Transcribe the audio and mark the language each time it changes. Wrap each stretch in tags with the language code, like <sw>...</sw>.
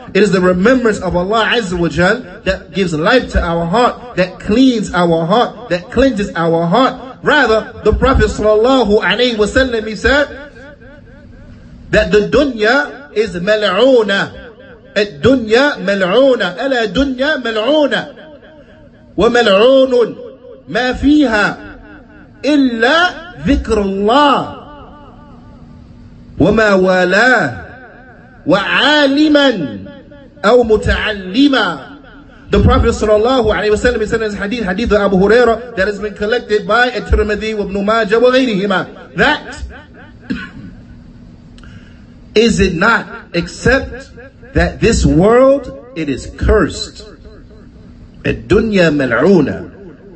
<en>It is the remembrance of Allah azza wa jal that gives life to our heart, that cleans our heart, that cleanses our heart. Rather, the Prophet sallallahu alayhi wa sallam, he said that the dunya is mal'una.</en> <ar>Ad-dunya mal'una. Ala dunya mal'una. وملعون ما فيها إلا ذكر الله وما والاه وعالما أو متعلما.</ar> <en>The Prophet sallallahu alaihi wasallam said in his hadith of Abu Huraira that has been collected by At-Tirmidhi wa Ibn Majah wa ghayrihima, that is it not except that this world, it is cursed.</en> <ar>الدُّنْيَا مَلْعُونَ.</ar>